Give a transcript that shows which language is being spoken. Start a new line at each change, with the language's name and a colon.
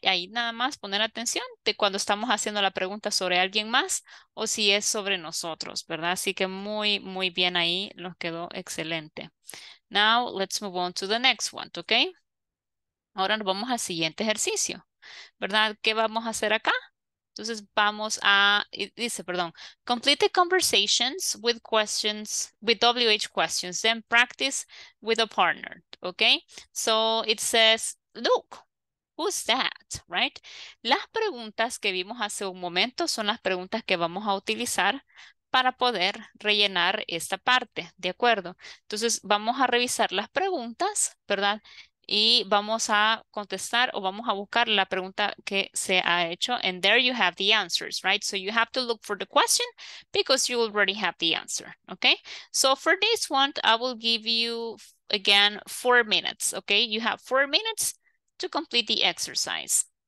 Spanish: Y ahí nada más poner atención de cuando estamos haciendo la pregunta sobre alguien más o si es sobre nosotros, ¿verdad? Así que muy, muy bien ahí, nos quedó excelente.
English: Now, let's move on to the next one, okay?
Spanish: Ahora nos vamos al siguiente ejercicio, ¿verdad? ¿Qué vamos a hacer acá? Entonces vamos a, dice, perdón,
English: complete the conversations with questions, with WH questions, then practice with a partner, okay? So it says, look, who's that, right?
Spanish: Las preguntas que vimos hace un momento son las preguntas que vamos a utilizar para poder rellenar esta parte, ¿de acuerdo? Entonces vamos a revisar las preguntas, ¿verdad? Y vamos a contestar o vamos a buscar la pregunta que se ha hecho.
English: And there you have the answers, right? So you have to look for the question because you already have the answer, okay? So for this one, I will give you, again, 4 minutes, okay? You have 4 minutes to complete the exercise.